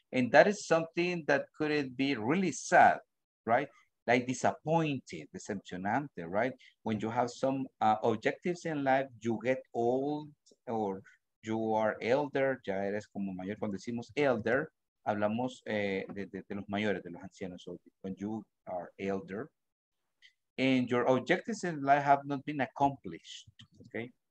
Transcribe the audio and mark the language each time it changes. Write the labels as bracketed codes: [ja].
[en] And that is something that couldn't be really sad, right? Like disappointed, decepcionante, right? When you have some objectives in life, you get old or you are elder, [es] ya eres como mayor. Cuando decimos elder, hablamos de los mayores, de los ancianos. [en] So when you are elder, and your objectives in life have not been accomplished, okay?